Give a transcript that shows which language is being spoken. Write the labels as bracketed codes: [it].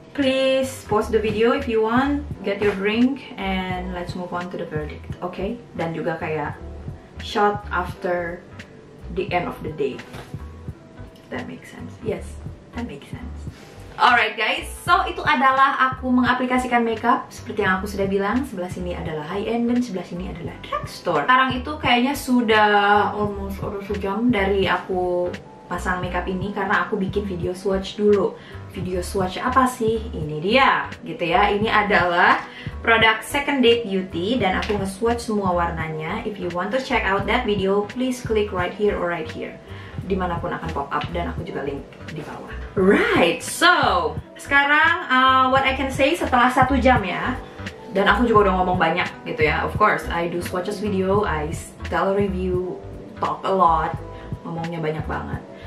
[en] Please pause the video if you want, get your drink, and let's move on to the verdict, okay? [id] Dan juga kayak [en] shot after the end of the day. That makes sense. Yes, that makes sense. Alright guys, so [id] itu adalah aku mengaplikasikan makeup. Seperti yang aku sudah bilang, sebelah sini adalah high end dan sebelah sini adalah drugstore. Sekarang itu kayaknya sudah almost sejam dari aku pasang makeup ini, karena aku bikin video swatch dulu. Video swatch apa sih? Ini dia, gitu ya. Ini adalah produk Second Date Beauty, dan aku nge-swatch semua warnanya. [en] If you want to check out that video, please click right here or right here. [id] Dimanapun akan pop up, dan aku juga link di bawah. [en] Right, so [id] sekarang [en] what I can say [id] setelah 1 jam ya, dan aku juga udah ngomong banyak gitu ya. [en] Of course, I do swatches video, I tell review, talk a lot, [id] ngomongnya banyak banget.